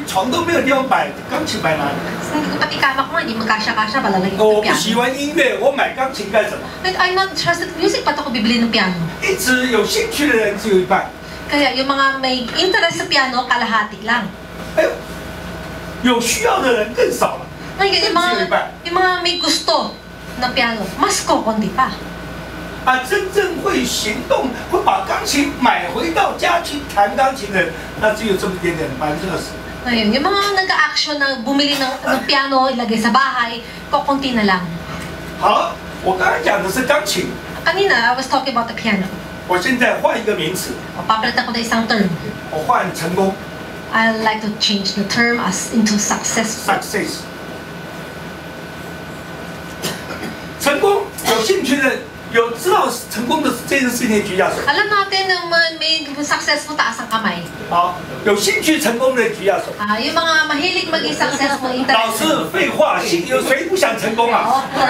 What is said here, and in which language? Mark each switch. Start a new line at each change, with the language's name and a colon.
Chinese: 床都没有地方摆，钢琴摆哪里?
Filipino: Pati kama ko, hindi magkasya-kasya, palalagay ko piano.
Chinese: 我不喜欢音乐，我买钢琴干什么?
English: I'm not interested in music,
Filipino: pati ako bibili ng
English: piano.
Chinese: 一直有兴趣的人只有一半。
Filipino: Kaya yung mga may interest sa piano, kalahati lang.
Chinese: 有需要的人更少了。
Filipino: yung mga may gusto na piano, mas kukunti pa.
Chinese: At 真正会行动，会把钢琴买回到家去弹钢琴的，那只有这么点点，20%。
Filipino: Ayun, yung mga nag-action na bumili ng piano, ilagay sa bahay, kukunti na lang. Ha? Huwag ka na dyan, nasa dungeon.
English: Kanina, I was talking about the piano.
Chinese: 我现在换一个名词.
Filipino: O, papalitan ko na isang term.
Chinese: O, 换成功.
English: I'd like to change the term as into success. Success.
Chinese: 成功,有兴趣的,有知道成功的这件事情举下手.
Filipino: Alam natin na may successful taas ang kamay.
Chinese: 好,有兴趣成功的举下手.
Filipino: Yung mga mahilig maging successful.
Chinese: 老师,废话,谁不想成功啊?